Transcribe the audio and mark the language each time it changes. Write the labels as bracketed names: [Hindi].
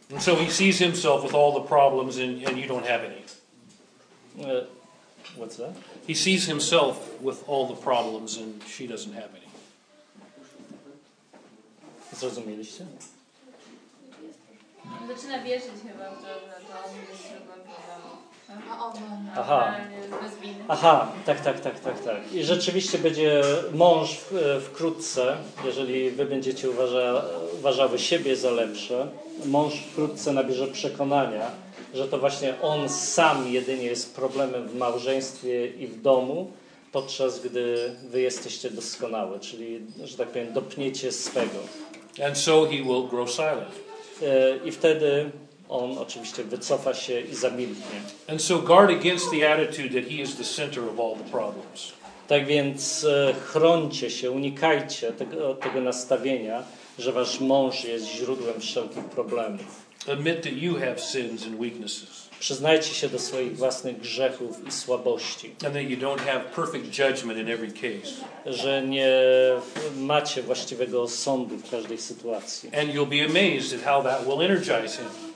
[English] And so he sees himself with all the problems and you don't have any. What's that? He sees himself with all the problems and she doesn't have any. [Polish] Zrozumieliście? Zaczyna wierzyć chyba, że aha. Aha, tak. I rzeczywiście będzie mąż wkrótce, jeżeli wy będziecie uważały siebie za lepsze, mąż wkrótce nabierze przekonania, że to właśnie on sam jedynie jest problemem w małżeństwie i w domu, podczas gdy wy jesteście doskonałe, czyli, że tak powiem, dopniecie swego. [English] And so he will grow silent. [Polish] I wtedy on oczywiście wycofa się i zamilknie. [English] And so guard against the attitude that he is the center of all the problems. [Polish] Tak więc chrońcie się, unikajcie tego nastawienia, że wasz mąż jest źródłem wszelkich problemów. [English] Admit that you have sins and weaknesses. [Polish] Przyznajcie się do swoich własnych grzechów i słabości. [English] And that you don't have perfect judgment in every case. [Polish] Że nie macie właściwego sądu w każdej sytuacji. [English] And you'll be amazed at how that will energize him.